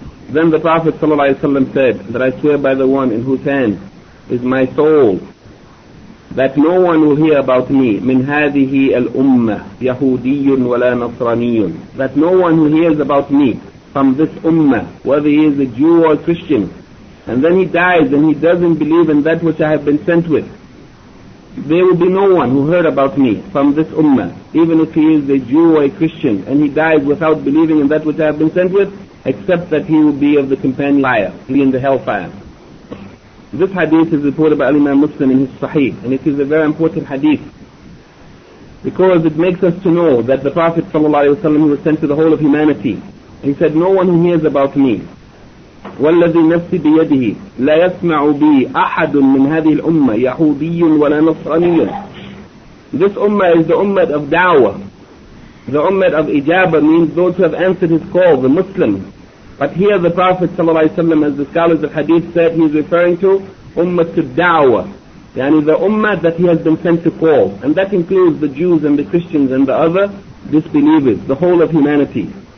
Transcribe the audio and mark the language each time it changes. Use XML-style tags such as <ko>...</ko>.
<en>Then the Prophet ﷺ said, that I swear by the one in whose hand is my soul, that no one will hear about me,</en> <ar>min hadihi al-ummah, yahudiyun wala nasraniyun,</ar> <en>that no one who hears about me from this ummah, whether he is a Jew or a Christian, and then he dies and he doesn't believe in that which I have been sent with, there will be no one who heard about me from this ummah, even if he is a Jew or a Christian, and he died without believing in that which I have been sent with, except that he will be of the companion liar, be in the hellfire. This hadith is reported by Imam Muslim in his Sahih, and it is a very important hadith because it makes us to know that the Prophet ﷺ, he was sent to the whole of humanity. He said, "No one who hears about me,</en> <ar>والذي نفسي بيده لا يسمع بي أحد من هذه الأمة يهودي ولا نصراني."</ar> <en>This ummah is the ummah of dawah, the ummah of ijaba, means those who have answered his call, the Muslim. But here the Prophet ﷺ, as the scholars of hadith said, he is referring to ummah to dawah, yani the ummah that he has been sent to call, and that includes the Jews and the Christians and the other disbelievers, the whole of humanity.</en>